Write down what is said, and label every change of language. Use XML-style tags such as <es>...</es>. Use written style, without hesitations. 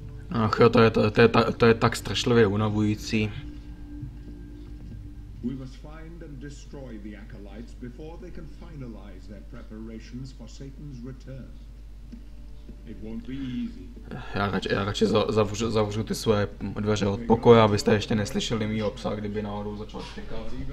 <cs>Ach, to je tak strašlivě unavující.</cs> <en>We must find and destroy the acolytes before they can finalize their preparations for Satan's return. It won't be easy.</en> <cs>Já radši zavřu ty své dveře od pokoje, abyste ještě neslyšeli mýho psa, kdyby náhodou začal štěkat.</cs>